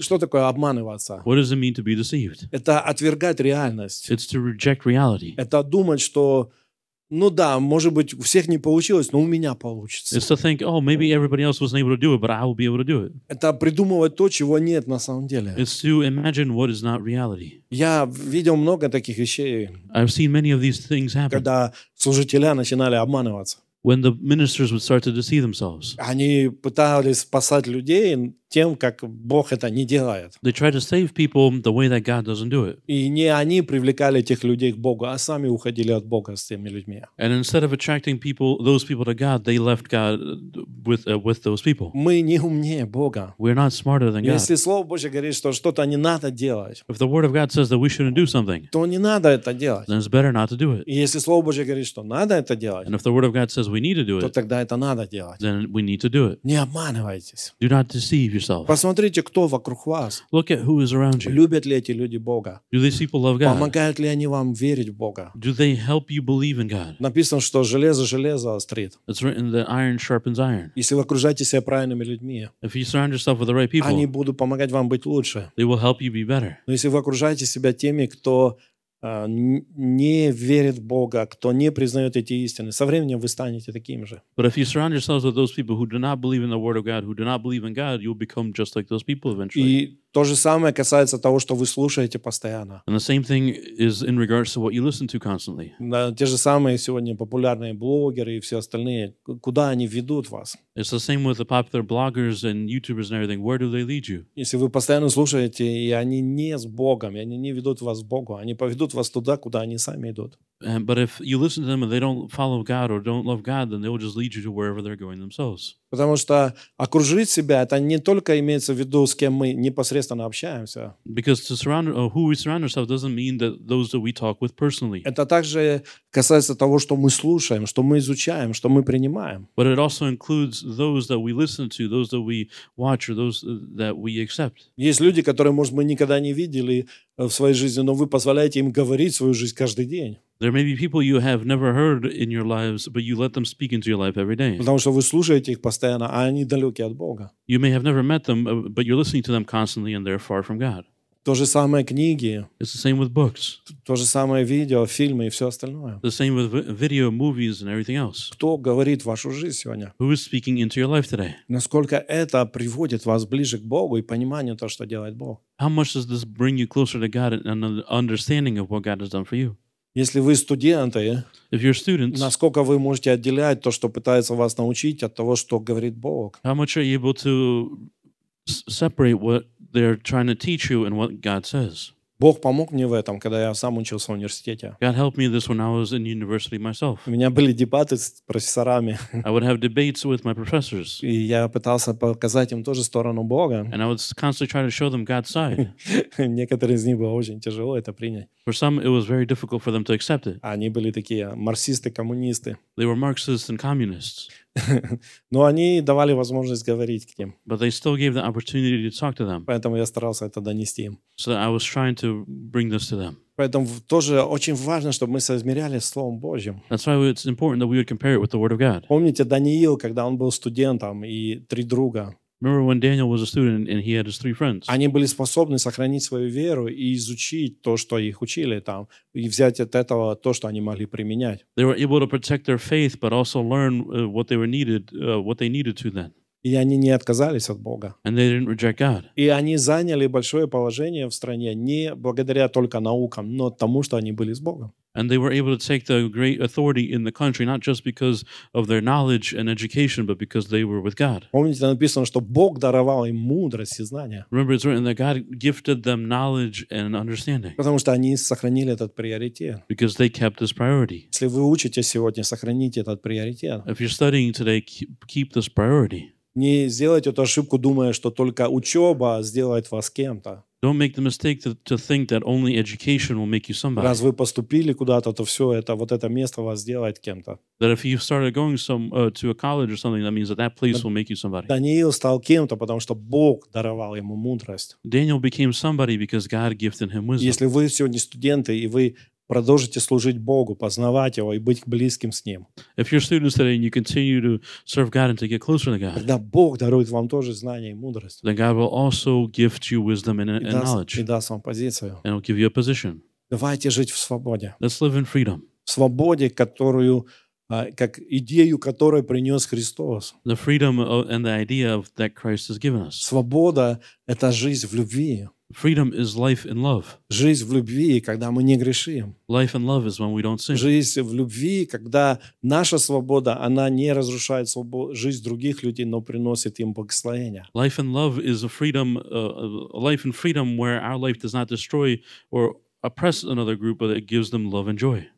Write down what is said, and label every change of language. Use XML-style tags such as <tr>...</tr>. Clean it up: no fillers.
<ru>Что такое обманываться?</ru> <en>What does it mean to be deceived?</en> <ru>Это отвергать реальность.</ru> <en>It's to reject reality.</en> <ru>Это думать, что ну да, может быть, у всех не получилось, но у меня получится.</ru> <en>It's to think, oh, maybe everybody else wasn't able to do it, but I will be able to do it.</en> <ru>Это придумывать то, чего нет на самом деле.</ru> <en>It's to imagine what is not reality.</en> <ru>Я видел много таких вещей.</ru> <en>I've seen many of these things happen.</en> <ru>Когда служители начинали обманываться.</ru> <en>When the ministers would start to deceive themselves.</en> <ru>Они пытались спасать людей тем, как Бог это не делает.</ru> <en>They tried to save people the way that God doesn't do it.</en> <ru>И не они привлекали тех людей к Богу, а сами уходили от Бога с теми людьми.</ru> <en>And instead of attracting people, those people to God, they left God with those people.</en> <ru>Мы не умнее Бога.</ru> <en>We're not smarter than God.</en> <ru>Если Слово Божье говорит, что что-то не надо делать,</ru> <en>if the Word of God says that we shouldn't do something,</en> <ru>то не надо это делать.</ru> <en>Then it's better not to do it.</en> <ru>И если Слово Божье говорит, что надо это делать,</ru> <en>and if the Word of God says we need to do it,</en> <ru>то тогда это надо делать.</ru> <en>Then we need to do it.</en> <ru>Не обманывайтесь.</ru> <en>Do not deceive.</en> <ru>Посмотрите, кто вокруг вас.</ru> <en>Look at who is around you.</en> <ru>Любят ли эти люди Бога?</ru> <en>Do these people love God?</en> <ru>Помогают ли они вам верить в Бога?</ru> <en>Do they help you believe in God?</en> <ru>Написано, что железо железо острит.</ru> <en>It's written that iron sharpens iron.</en> <ru>Если вы окружаете себя правильными людьми,</ru> <en>if you surround yourself with the right people,</en> <ru>они будут помогать вам быть лучше.</ru> <en>They will help you be better.</en> <ru>Но если вы окружаете себя теми, кто не верит в Бога, кто не признает эти истины, со временем вы станете таким же.</ru> <en>But if you surround yourselves with those people who do not believe in the Word of God, who do not believe in God, you'll become just like those people eventually.</en> <ru>И то же самое касается того, что вы слушаете постоянно.</ru> <en>And the same thing is in regards to what you listen to constantly.</en> <ru>Те же самые сегодня популярные блогеры и все остальные, куда они ведут вас?</ru> <en>It's the same with the popular bloggers and YouTubers and everything. Where do they lead you?</en> <ru>Если вы постоянно слушаете, и они не с Богом, и они не ведут вас к Богу, они поведут вас туда, куда они сами идут.</ru> <en>But if you listen to them and they don't follow God or don't love God, then they will just lead you to wherever they're going themselves.</en> <ru>Потому что окружить себя это не только имеется в виду, с кем мы непосредственно общаемся.</ru> <en>Because to surround who we surround ourselves doesn't mean that those that we talk with personally.</en> <ru>Это также касается того, что мы слушаем, что мы изучаем, что мы принимаем.</ru> <en>But it also includes those that we listen to, those that we watch, or those that we accept.</en> <ru>Есть люди, которые, может, мы никогда не видели в своей жизни, но вы позволяете им говорить свою жизнь каждый день.</ru> <en>There may be people you have never heard in your lives, but you let them speak into your life every day.</en> <ru>Потому что вы слушаете их постоянно, а они далеки от Бога.</ru> <en>You may have never met them, but you're listening to them constantly, and they're far from God.</en> <ru>То же самое книги.</ru> <en>It's the same with books.</en> <ru>То же самое видео, фильмы и все остальное.</ru> <en>The same with video, movies, and everything else.</en> <ru>Кто говорит вашу жизнь сегодня?</ru> <en>Who is speaking into your life today?</en> <ru>Насколько это приводит вас ближе к Богу и пониманию того, что делает Бог?</ru> <en>How much does this bring you closer to God and an understanding of what God has done for you?</en> <ru>Если вы студенты,</ru> <en>if you're students,</en> <ru>насколько вы можете отделять то, что пытается вас научить, от того, что говорит Бог?</ru> <en>How much are you able to separate what they're trying to teach you and what God says?</en> <ru>Бог помог мне в этом, когда я сам учился в университете.</ru> <en>God helped me this when I was in university myself.</en> <ru>У меня были дебаты с профессорами.</ru> <en>I would have debates with my professors.</en> <ru>И я пытался показать им тоже сторону Бога.</ru> <en>And I was constantly trying to show them God's side.</en> <ru>Некоторые из них было очень тяжело это принять.</ru> <en>For some, it was very difficult for them to accept it.</en> <ru>Они были такие марксисты-коммунисты.</ru> <en>They were Marxists and communists.</en> <ru>Но они давали возможность говорить к ним.</ru> <en>But they still gave the opportunity to talk to them.</en> <ru>Поэтому я старался это донести им.</ru> <en>So I was trying to bring this to them.</en> <ru>Поэтому тоже очень важно, чтобы мы соизмеряли Словом Божьим.</ru> <en>That's why it's important that we would compare it with the Word of God.</en> <ru>Помните Даниил, когда он был студентом и три друга?</ru> <en>Remember when Daniel was a student and he had his three friends?</en> <ru>Они были способны сохранить свою веру и изучить то, что их учили там, и взять от этого то, что они могли применять.</ru> <en>They were able to protect their faith, but also learn what they were needed, what they needed to then.</en> <ru>И они не отказались от Бога.</ru> <en>And they didn't reject God.</en> <ru>И они заняли большое положение в стране не благодаря только наукам, но тому, что они были с Богом.</ru> <en>And they were able to take the great authority in the country not just because of their knowledge and education, but because they were with God.</en> <ru>Помните, написано, что Бог даровал им мудрость и знания.</ru> <en>Remember, it's written that God gifted them knowledge and understanding.</en> <ru>Потому что они сохранили этот приоритет.</ru> <en>Because they kept this priority.</en> <ru>Если вы учитесь сегодня, сохраните этот приоритет.</ru> <en>If you're studying today, keep this priority.</en> <ru>Не сделайте эту ошибку, думая, что только учеба сделает вас кем-то.</ru> <en>Don't make the mistake to think that only education will make you somebody.</en> <ru>Раз вы поступили куда-то, то все это, вот это место вас сделает кем-то.</ru> <en>That if you started going to a college or something, that means that place will make you somebody.</en> <ru>Даниил стал кем-то, потому что Бог даровал ему мудрость.</ru> <en>Daniel became somebody because God gifted him wisdom.</en> <ru>Если вы сегодня студенты, и вы продолжите служить Богу, познавать Его и быть близким с Ним.</ru> <en>If you're students today and you continue to serve God and to get closer to God,</en> <ru>тогда Бог дарует вам тоже знания и мудрость.</ru> <en>Then God will also gift you wisdom and knowledge.</en> <ru>И даст вам позицию.</ru> <en>And will give you a position.</en> <ru>Давайте жить в свободе.</ru> <en>Let's live in freedom.</en> <ru>В свободе, которую, как идею, которую принес Христос.</ru> <en>The freedom and the idea that Christ has given us.</en> <ru>Свобода — это жизнь в любви.</ru> <en>Freedom is life in love.</en> <ru>Жизнь в любви, когда мы не грешим.</ru> <en>Life in love is when we don't sin.</en> <ru>Жизнь в любви, когда наша свобода, она не разрушает жизнь других людей, но приносит им благословение.</ru> <en>Life in love is a freedom, life in freedom where our life does not destroy or oppress another group, but it gives them love and joy.</en>